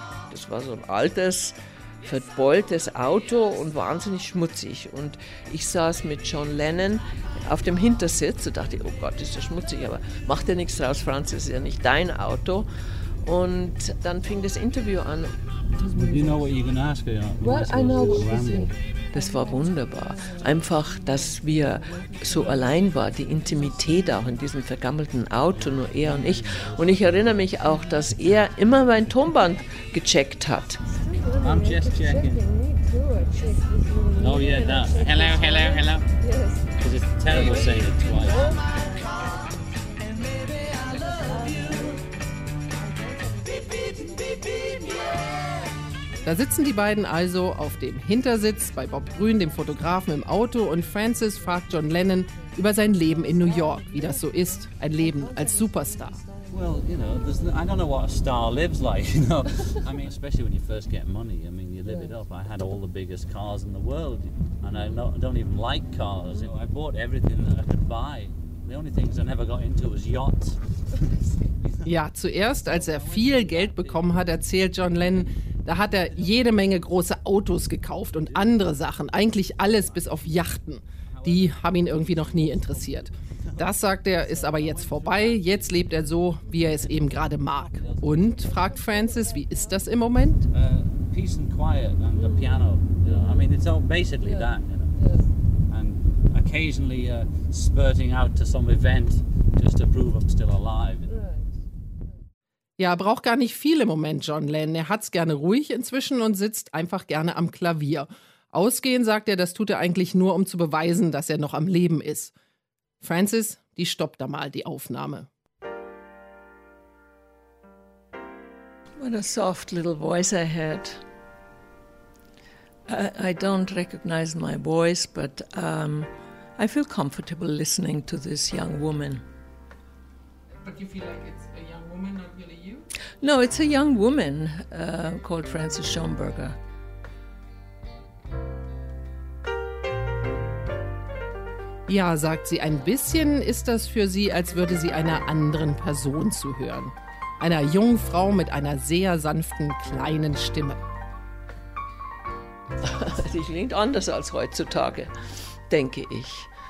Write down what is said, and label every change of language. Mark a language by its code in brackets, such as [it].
[de] Das war so ein altes, verbeultes Auto und wahnsinnig schmutzig. Und ich saß mit John Lennon auf dem Hintersitz und dachte, oh Gott, ist das schmutzig, aber mach dir nichts draus, Franz, das ist ja nicht dein Auto. Und dann fing das Interview an. [en] You know what you're gonna ask her, aren't you? Well, I know what you're saying. [de] Das war wunderbar. Einfach, dass wir so allein waren, die Intimität auch in diesem vergammelten Auto, nur er und ich. Und ich erinnere mich auch, dass er immer mein Tonband gecheckt hat. [en] I'm just checking. Oh yeah, that. Hello, hello, hello. Because it's terrible saying it twice. [de] Da sitzen die beiden also auf dem Hintersitz bei Bob Grün, dem Fotografen, im Auto und Francis fragt John Lennon über sein Leben in New York, wie das so ist, ein Leben als Superstar. [en] Well, you know, there's no, I don't know what a star lives like, you know. I mean, especially when you first get money, I mean, you live it up. I had all the biggest cars in the world and I don't even like cars. You know, I bought everything that I could buy. The only things I never got into was yachts. [de] Ja, zuerst, als er viel Geld bekommen hat, erzählt John Lennon, da hat er jede Menge große Autos gekauft und andere Sachen, eigentlich alles bis auf Yachten. Die haben ihn irgendwie noch nie interessiert. Das, sagt er, ist aber jetzt vorbei. Jetzt lebt er so, wie er es eben gerade mag. Und, fragt Francis, wie ist das im Moment? [en] peace and quiet and the piano, you know. I mean, it's all basically that, you know. And occasionally spurting out to some event just to prove I'm still alive. [de] Ja, braucht gar nicht viel im Moment, John Lennon. Er hat's gerne ruhig inzwischen und sitzt einfach gerne am Klavier. Ausgehen, sagt er, das tut er eigentlich nur, um zu beweisen, dass er noch am Leben ist. Francis, die stoppt da mal die Aufnahme. [en] What a soft little voice I had. I don't recognize my voice, but I feel comfortable listening to this young woman. But you feel like it's a young woman, not really you? No, it's a young woman called Frances Schomburger. [de] Ja, sagt sie, ein bisschen ist das für sie, als würde sie einer anderen Person zuhören. Einer jungen Frau mit einer sehr sanften, kleinen Stimme. Sie klingt anders als heutzutage, denke ich.